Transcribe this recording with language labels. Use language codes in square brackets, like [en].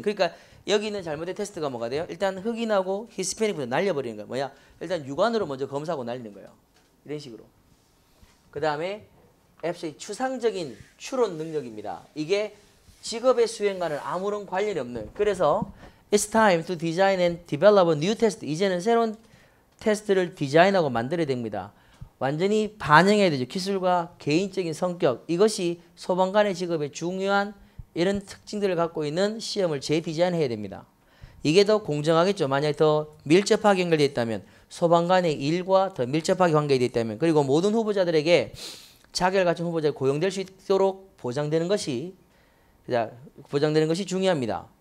[ko] 그러니까 여기 있는 잘못된 테스트가 뭐가 돼요? 일단 흑인하고 히스패닉부터 날려버리는 거야. 뭐야? 일단 육안으로 먼저 검사하고 날리는 거예요. 이런 식으로. 그 다음에 FC 추상적인 추론 능력입니다. 이게 직업의 수행과는 아무런 관련이 없는. 그래서 [en] It's time to design and develop a new test. [ko] 이제는 새로운 테스트를 디자인하고 만들어야 됩니다. 완전히 반영해야 되죠. 기술과 개인적인 성격. 이것이 소방관의 직업의 중요한 이런 특징들을 갖고 있는 시험을 재디자인해야 됩니다. 이게 더 공정하겠죠. 만약에 더 밀접하게 연결되어 있다면 소방관의 일과 더 밀접하게 관계되어 있다면 그리고 모든 후보자들에게 자격을 갖춘 후보자가 고용될 수 있도록 보장되는 것이 중요합니다.